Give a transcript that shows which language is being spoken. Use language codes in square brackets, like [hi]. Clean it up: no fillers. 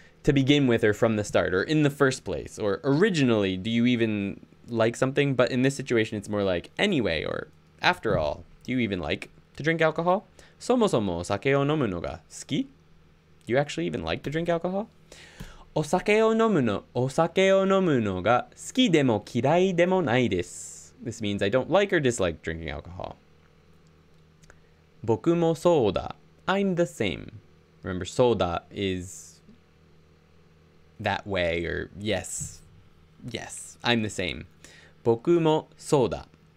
[en] To begin with or from the start or in the first place or originally, do you even like something? But in this situation, it's more like anyway or after all, do you even like to drink alcohol? [ja] そもそもお酒を飲むのが好き? [en] Do you actually even like to drink alcohol? [ja] お酒を飲むのが好きでも嫌いでもないです。 [en] This means I don't like or dislike drinking alcohol. [ja] 僕もそうだ。 [en] I'm the same. Remember, そうだ is that way or yes. Yes, I'm the same. [ja] 僕もそうだ。